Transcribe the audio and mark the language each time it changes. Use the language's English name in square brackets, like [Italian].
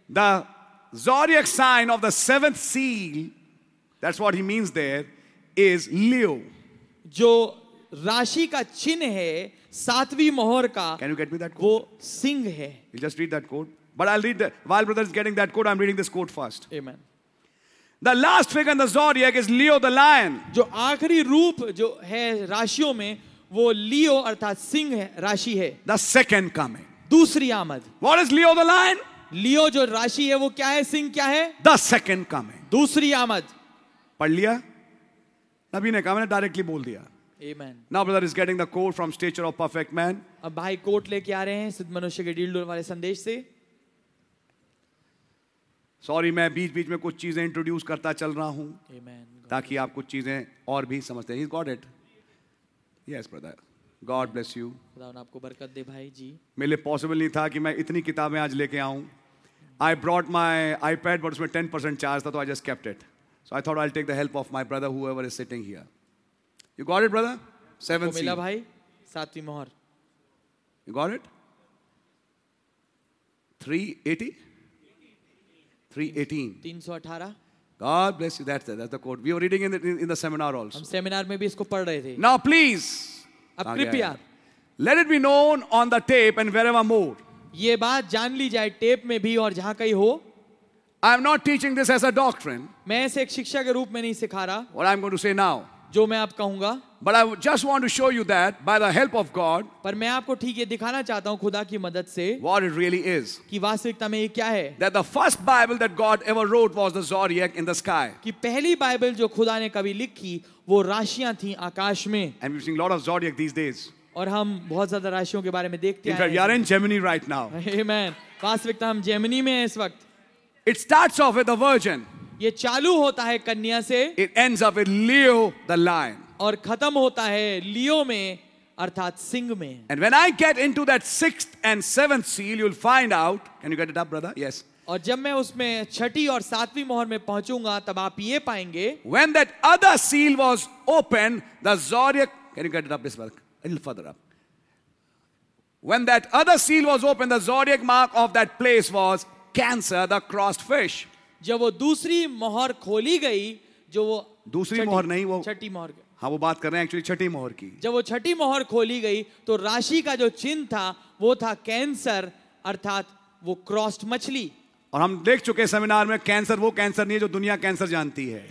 [English] the zodiac sign of the seventh seal, that's what he means there, is Leo. [Hindi] जो राशि का चिन्ह है सातवीं मोहर का, [English] can you get me that code? [Hindi] वो सिंह है. [English] You just read that code. But I'll read that. While brother is getting that code, I'm reading this code first. Amen. The last figure in the zodiac is Leo the lion. [Hindi] जो आखिरी रूप जो है राशियों में वो लियो अर्थात सिंह राशि है. [English] The second coming. [Hindi] दूसरी आमद. [English] What is Leo the lion? [Hindi] लियो जो राशि है वो क्या है, सिंह क्या है? [English] The second coming. [Hindi] दूसरी आमद. पढ़ लिया? नबी ने कहा, मैंने डायरेक्टली बोल दिया. [English] Amen. Now brother is getting the quote from stature of perfect man. [Hindi] अब भाई कोट लेके आ रहे हैं सिद्ध मनुष्य के डील वाले संदेश से. सॉरी, मैं बीच बीच में कुछ चीजें इंट्रोड्यूस करता चल रहा हूं. [English] Amen. [Hindi] ताकि आप कुछ चीजें और भी समझते हैं. [English] He's got it. Yes, brother. God bless you. [Hindi] खुदा आपको बरकत दे भाई जी. मेरे पॉसिबल नहीं था कि मैं इतनी किताबें आज लेके आऊं. [English] I brought my iPad, but [Hindi] उसमें 10% चार्ज था, तो [English] I just kept it. So I thought I'll take the help of my brother, whoever is sitting here. You got it, brother? Seventh seal. [Hindi] मिला भाई सातवीं मोहर. [English] You got it? 380? 318. God bless you. That's the quote. We were reading in the seminar also. [Hindi] हम seminar में भी इसको पढ़ रहे थे. [English] Now please. [Hindi] अब कृपया. [English] Let it be known on the tape and wherever more. [Hindi] ये बात जान ली जाए टेप में भी और जहां कहीं हो. [English] I am not teaching this as a doctrine. [Hindi] मैं इसे एक शिक्षा के रूप में नहीं सिखा रहा. [English] What I am going to say now. [Hindi] जो मैं आप कहूंगा. [English] But I just want to show you that by the help of God. [Hindi] पर मैं आपको ठीक ये दिखाना चाहता हूं खुदा की मदद से. [English] What it really is. [Hindi] कि वास्तविकता में ये क्या है. [English] That the first Bible that God ever wrote was the Zodiac in the sky. [Hindi] कि पहली बाइबल जो खुदा ने कभी लिखी वो राशियां थी आकाश में. [English] And we've seen a lot of Zodiac these days. [Hindi] और हम बहुत ज्यादा राशियों के बारे में देखते हैं. [English] In fact, we are in Gemini right now. Amen. [Hindi] वास्तविकता हम Gemini में हैं इस वक्त. [English] It starts off with the Virgin. [Hindi] ये चालू होता है कन्या से. [English] It ends up with Leo the lion. [Hindi] और खत्म होता है लियो में अर्थात सिंह में. [English] And when I get into that sixth and seventh seal, you'll find out. Can you get it up, brother? Yes. [Hindi] और जब मैं उसमें छठी और सातवीं मोहर में पहुंचूंगा तब आप ये पाएंगे. [English] When that other seal was open, the zodiac. Can you get it up this work? A little further up. When that other seal was open, the zodiac mark of that place was Cancer, the crossed fish. [Hindi] जब वो दूसरी मोहर खोली गई, जो वो दूसरी मोहर नहीं, वो छठी मोहर. हाँ, वो बात कर रहे हैं एक्चुअली छठी मोहर की. जब वो छठी मोहर खोली गई तो राशि का जो चिन्ह था वो था कैंसर अर्थात वो क्रॉस्ड मछली. और हम देख चुके हैं सेमिनार में कैंसर वो कैंसर नहीं है जो दुनिया कैंसर जानती है.